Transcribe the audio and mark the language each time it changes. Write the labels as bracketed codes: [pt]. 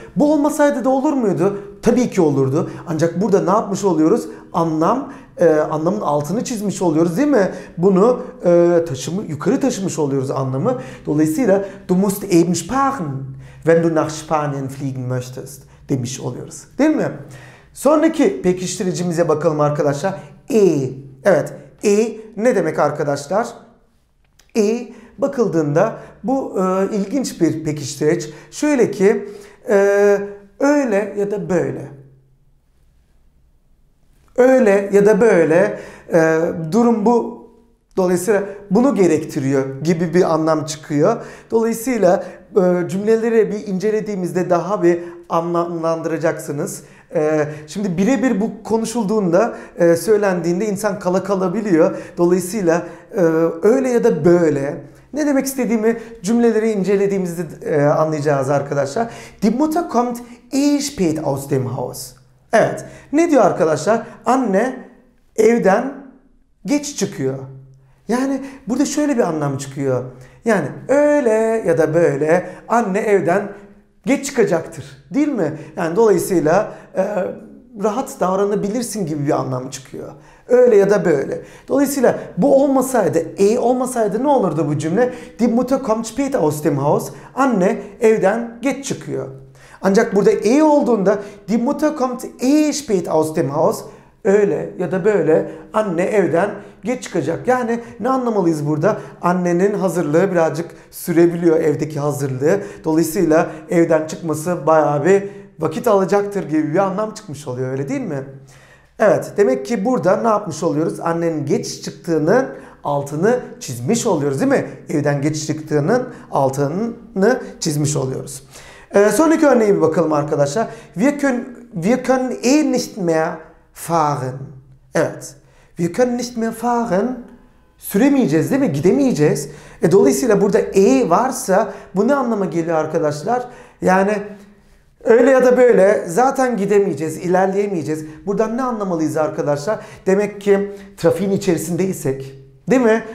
[tr] Bu olmasaydı da olur muydu? Tabii ki olurdu. Ancak burada ne yapmış oluyoruz? Anlamın altını çizmiş oluyoruz, değil mi? Bunu yukarı taşımış oluyoruz anlamı. Dolayısıyla [de] du musst eben sprechen, wenn du nach Spanien fliegen möchtest [tr] demiş oluyoruz. Değil mi? Sonraki pekiştiricimize bakalım arkadaşlar. Evet. Ne demek arkadaşlar? Bakıldığında bu ilginç bir pekiştireç. Şöyle ki öyle ya da böyle. Öyle ya da böyle durum bu. Dolayısıyla bunu gerektiriyor gibi bir anlam çıkıyor. Dolayısıyla cümleleri bir incelediğimizde daha bir anlamlandıracaksınız. Şimdi birebir bu konuşulduğunda, söylendiğinde insan kala kalabiliyor. Dolayısıyla öyle ya da böyle. Ne demek istediğimi cümleleri incelediğimizde anlayacağız arkadaşlar. [de] Die Mutter kommt eh spät aus dem Haus. [tr] Evet. Ne diyor arkadaşlar? Anne evden geç çıkıyor. Yani burada şöyle bir anlam çıkıyor. Yani öyle ya da böyle anne evden geç çıkacaktır. Değil mi? Yani dolayısıyla rahat davranabilirsin gibi bir anlam çıkıyor. Öyle ya da böyle. Dolayısıyla bu olmasaydı, olmasaydı ne olurdu bu cümle? [de] Die Mutter kommt spät aus dem Haus. [tr] Anne evden geç çıkıyor. Ancak burada olduğunda [de] Die Mutter kommt spät aus dem Haus. [tr] Öyle ya da böyle anne evden geç çıkacak. Yani ne anlamalıyız burada? Annenin hazırlığı birazcık sürebiliyor, evdeki hazırlığı. Dolayısıyla evden çıkması bayağı bir vakit alacaktır gibi bir anlam çıkmış oluyor, öyle değil mi? Evet, demek ki burada ne yapmış oluyoruz? Annenin geç çıktığının altını çizmiş oluyoruz, değil mi? Evden geç çıktığının altını çizmiş oluyoruz. Sonraki örneğe bir bakalım arkadaşlar. [de] Wir können nicht mehr fahren. [tr] Evet. [de] Wir können nicht mehr fahren. [tr] Süremeyeceğiz, değil mi? Gidemeyeceğiz. Dolayısıyla burada varsa bu ne anlama geliyor arkadaşlar? Yani öyle ya da böyle zaten gidemeyeceğiz, ilerleyemeyeceğiz. Buradan ne anlamalıyız arkadaşlar? Demek ki trafiğin içerisindeysek, değil mi?